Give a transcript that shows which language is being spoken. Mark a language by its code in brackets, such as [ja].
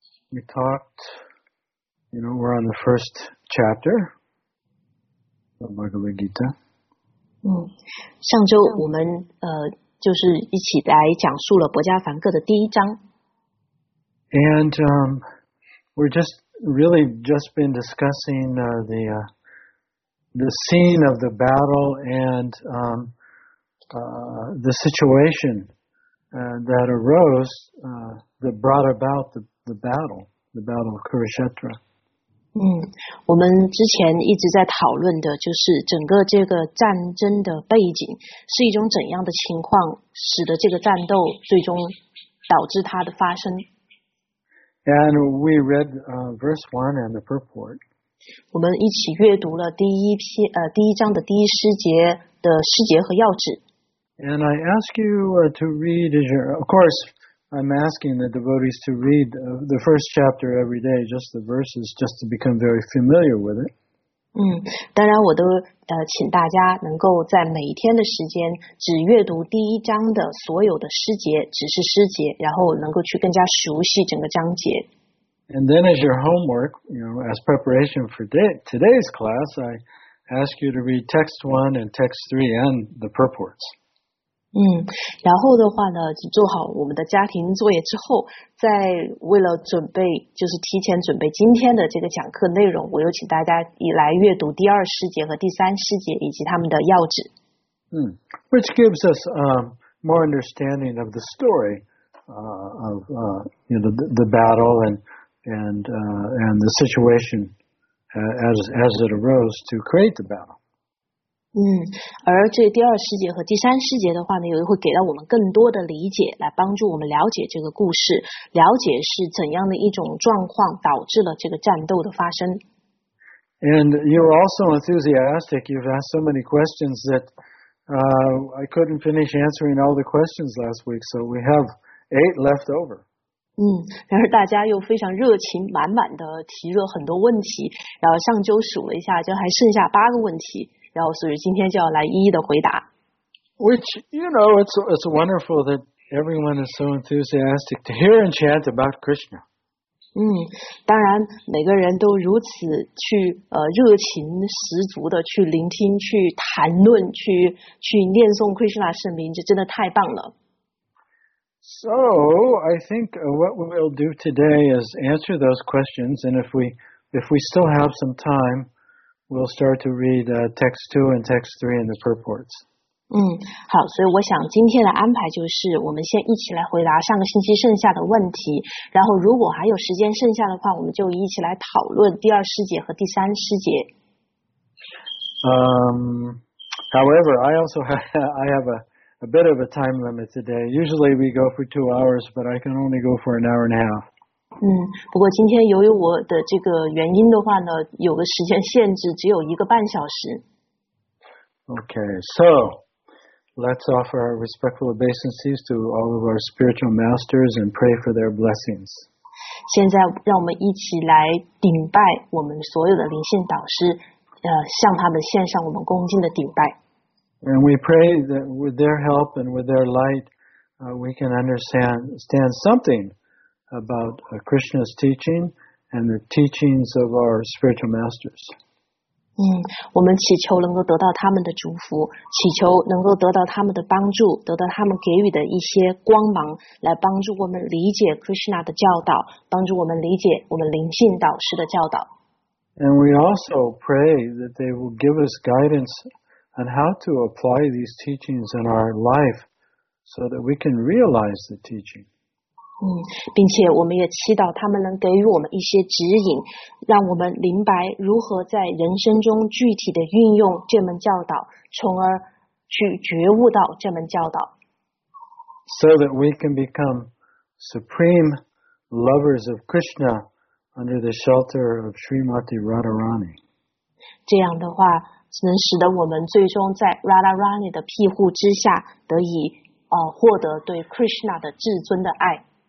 [en] we talked, you know, we're on the first chapter of Bhagavad Gita. [zh] 上周我们就是一起来讲述了《博迦梵歌》的第一章。 [en] And we're just really just been discussing the scene of the battle and the situation that arose that brought about the battle of Kurukshetra. [zh] 我们之前一直在讨论的就是整个这个战争的背景是一种怎样的情况使得这个战斗最终导致它的发生。 [en] And we read verse 1 and the purport. [zh] 我们一起阅读了第一章的第一诗节的诗节和要旨。 [en] And I ask you to read, of course, I'm asking the devotees to read the first chapter every day, just the verses, just to become very familiar with it. [zh] 当然我都请大家能够在每一天的时间只阅读第一章的所有的诗节，只是诗节，然后能够去更加熟悉整个章节。 [en] And then as your homework, you know, as preparation for today's class, I ask you to read text 1 and text 3 and the purports. [zh] 然后的话呢，做好我们的家庭作业之后，再为了准备，就是提前准备今天的这个讲课内容，我又请大家来阅读第二诗节和第三诗节以及他们的要旨。 [en] Which gives us more understanding of the story of you know the battle and the situation as it arose to create the battle. [zh] 而这第二诗节和第三诗节的话呢，也会给到我们更多的理解，来帮助我们了解这个故事，了解是怎样的一种状况导致了这个战斗的发生。 [en] And you're also enthusiastic. You've asked so many questions that I couldn't finish answering all the questions last week, so we have 8 left over. [zh] 然而大家又非常热情满满的提了很多问题，然后上周数了一下，就还剩下8个问题。然后所以今天就要来一一的回答。 [en] Which, you know, it's wonderful that everyone is so enthusiastic to hear and chant about Krishna. [zh] 当然每个人都如此去热情十足的去聆听去谈论去念诵 Krishna 圣名，这真的太棒了。 [en] So, I think what we will do today is answer those questions, and if we still have some time,we'll start to read text 2 and text 3 in the purports. [zh] 好，所以我想今天的安排就是我们先一起来回答上个星期剩下的问题，然后如果还有时间剩下的话，我们就一起来讨论第二诗节和第三诗节。 [en] However, I also have a bit of a time limit today. Usually we go for 2 hours, but I can only go for an hour and a half. [zh] 不过今天由于我的这个原因的话呢，有个时间限制，只有一个半小时。 [en] Okay, so let's offer our respectful obeisances to all of our spiritual masters and pray for their blessings. [zh] 现在让我们一起来顶拜我们所有的灵性导师，向他们献上我们恭敬的顶拜。 [en] And we pray that with their help and with their light, we can understand something. About Krishna's teaching and the teachings of our spiritual masters. [zh] 我们祈求能够得到他们的祝福，祈求能够得到他们的帮助，得到他们给予的一些光芒，来帮助我们理解 Krishna 的教导，帮助我们理解我们灵性导师的教导。 [en] And we also pray that they will give us guidance on how to apply these teachings in our life, so that we can realize the teaching. [zh] 并且我们也祈祷他们能给予我们一些指引，让我们明白如何在人生中具体的运用这门教导，从而去觉悟到这门教导。 [en] So that we can become supreme lovers of Krishna under the shelter of Srimati Radharani. [zh] 这样的话，能使得我们最终在 Radharani 的庇护之下，得以获得对 Krishna 的至尊的爱。